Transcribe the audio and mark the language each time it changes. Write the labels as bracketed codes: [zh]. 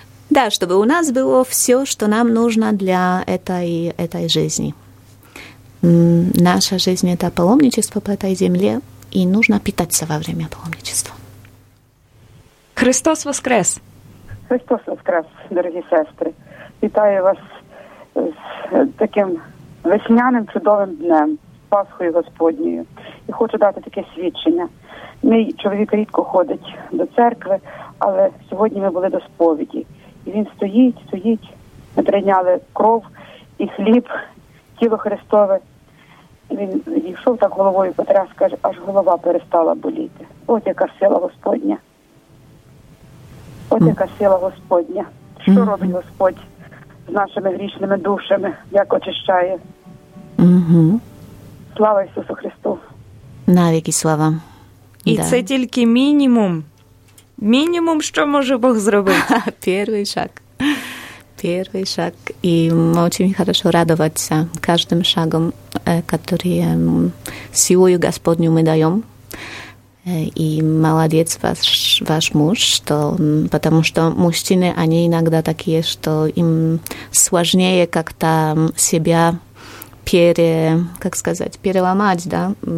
[ru] Да, чтобы у нас было все, что нам нужно для этой жизни. Наша жизнь – это паломничество по этой земле, и нужно питаться во время паломничества. Христос воскрес! Христос воскрес, дорогие сестры! [uk] Вітаю вас с таким весняним чудовим днем, Пасхою Господньою. И хочу дати таке свідчення. Мій чоловік рідко ходить до церкви, але сьогодні ми були до сповіді. І він стоїть. Ми прийняли кров і хліб, тіло Христове. Він йшов так головою, потряс, каже, аж голова перестала боліти. От яка сила Господня. От яка сила Господня. Що робить Господь з нашими грішними душами, як очищає. Слава Ісусу Христу. Навіки слава. І да. Це тільки мінімум. Мінімум, що може Бог зробити. Перший шаг. [ru] Первый шаг, и очень хорошо радоваться каждым шагом, который силою Господню мы даем. И молодец ваш муж, потому что мужчины, они иногда такие, что им сложнее как-то себя переломать, да?